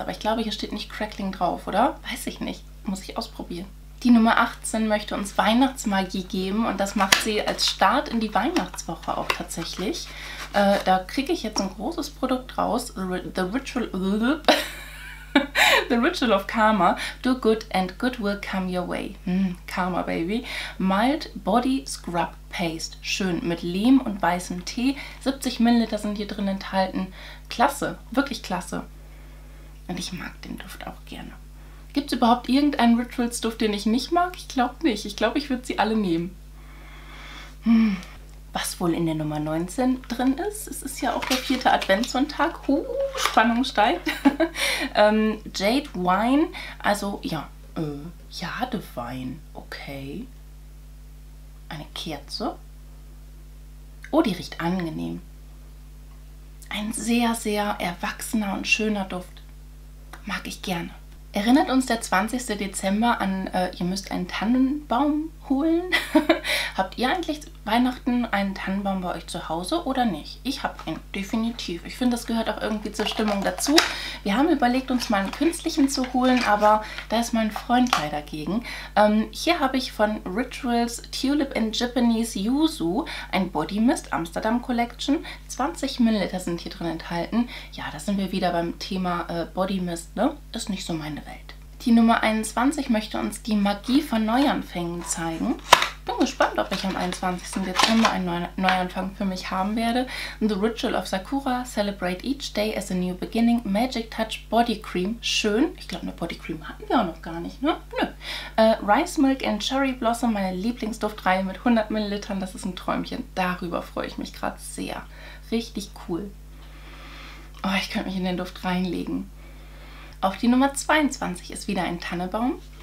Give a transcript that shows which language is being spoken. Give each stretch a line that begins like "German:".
German: Aber ich glaube, hier steht nicht Crackling drauf, oder? Weiß ich nicht. Muss ich ausprobieren. Die Nummer 18 möchte uns Weihnachtsmagie geben und das macht sie als Start in die Weihnachtswoche auch tatsächlich. Da kriege ich jetzt ein großes Produkt raus.
English: The Ritual... The Ritual of Karma. Do good and good will come your way. Karma, baby. Mild Body Scrub Paste.
German: Schön mit Lehm und weißem Tee. 70 Milliliter sind hier drin enthalten. Klasse. Wirklich klasse. Und ich mag den Duft auch gerne. Gibt es überhaupt irgendeinen Rituals-Duft, den ich nicht mag? Ich glaube nicht. Ich glaube, ich würde sie alle nehmen. was wohl in der Nummer 19 drin ist. Es ist ja auch der vierte Adventssonntag. Spannung steigt. Jade Wine, also ja, Jadewein, okay. Eine Kerze. Oh, die riecht angenehm. Ein sehr, sehr erwachsener und schöner Duft. Mag ich gerne. Erinnert uns der 20. Dezember an, ihr müsst einen Tannenbaum holen? Habt ihr eigentlich Weihnachten einen Tannenbaum bei euch zu Hause oder nicht? Ich habe einen, definitiv. Ich finde, das gehört auch irgendwie zur Stimmung dazu. Wir haben überlegt, uns mal einen künstlichen zu holen, aber da ist mein Freund leider gegen. Hier habe ich von Rituals Tulip and Japanese Yuzu ein Body Mist Amsterdam Collection. 20 Milliliter sind hier drin enthalten. Ja, da sind wir wieder beim Thema Body Mist, ne? Ist nicht so meine Welt. Die Nummer 21 möchte uns die Magie von Neuanfängen zeigen. Bin gespannt, ob ich am 21. Dezember einen Neuanfang für mich haben werde.
English: The Ritual of Sakura, Celebrate Each Day as a New Beginning, Magic Touch Body Cream.
German: Schön. Ich glaube, eine Body Cream hatten wir auch noch gar nicht, ne? Nö. Rice Milk and Cherry Blossom, meine Lieblingsduftreihe mit 100 Millilitern. Das ist ein Träumchen. Darüber freue ich mich gerade sehr. Richtig cool. Oh, ich könnte mich in den Duft reinlegen. Auf die Nummer 22 ist wieder ein Tannenbaum.